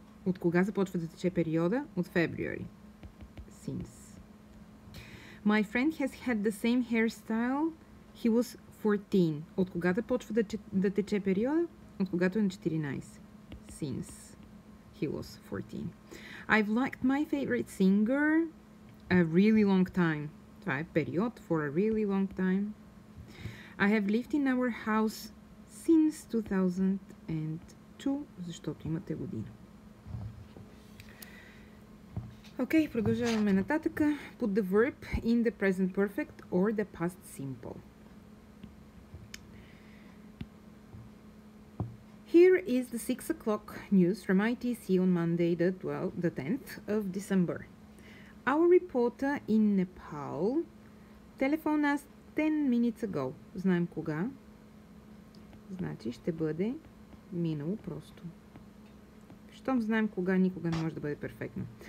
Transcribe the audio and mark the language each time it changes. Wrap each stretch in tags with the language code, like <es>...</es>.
<bg>От кога започва да тече периода?</bg> <en>От February. Since. My friend has had the same hairstyle. He was 14.</en> <bg>От кога започва да тече периода? От когато е на 14.</bg> <en>Since he was 14. I've liked my favorite singer a really long time.</en> <bg>Това е период</bg> <en>for a really long time. I have lived in our house since 2002.</en> <bg>Защото имате година. Окей, okay, продължаваме нататък.</bg> <en>Put the verb in the present perfect or the past simple. Here is the 6 o'clock news from ITC on Monday the 10th of December. Our reporter in Nepal telephoned us 10 minutes ago.</en> <bg>Знаем кога. Значи ще бъде минало просто. Щом знаем кога, никога не може да бъде перфектно.</bg>